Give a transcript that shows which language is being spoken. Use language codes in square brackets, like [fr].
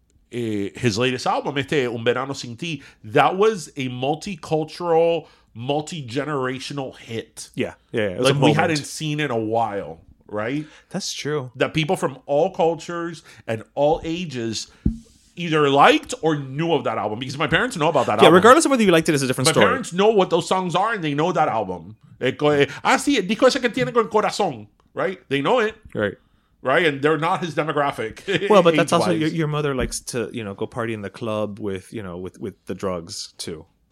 [en] his latest album, Este Un Verano Sin Ti, that was a multicultural, multi-generational hit. Yeah, yeah. It was like, we hadn't seen in a while, right? That's true. That people from all cultures and all ages either liked or knew of that album, because my parents know about that yeah, album. Yeah, regardless of whether you liked it, it's a different my story. My parents know what those songs are, and they know that album. [es] Ah, sí, el disco ese que tiene con corazón, right? [en] They know it. Right. Right, and they're not his demographic. Well, but that's also your mother likes to, you know, go party in the club with, you know, with the drugs too.